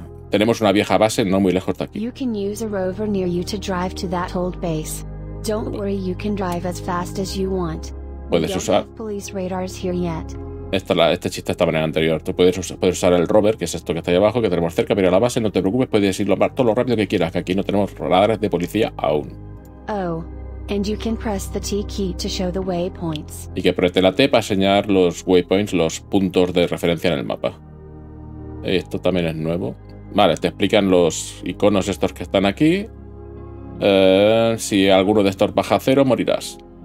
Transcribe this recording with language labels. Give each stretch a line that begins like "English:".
Spanish: Tenemos una vieja base no muy lejos de aquí.
English: You can use a rover near you to drive to that old base. Don't worry, you can drive as fast as you want.
Spanish: Puedes usar.
English: Police radars here yet.
Spanish: Este chiste estaba en el anterior. Tú puedes usar el rover, que es esto que está ahí abajo, que tenemos cerca, pero a la base no te preocupes, puedes ir todo lo rápido que quieras, que aquí no tenemos radares de policía aún.
English: Oh, and you can press the T key to show the waypoints.
Spanish: Y que apriete la T para señalar los waypoints, los puntos de referencia en el mapa. Esto también es nuevo. Vale, te explican los iconos estos que están aquí. Si alguno de estos baja a cero, morirás.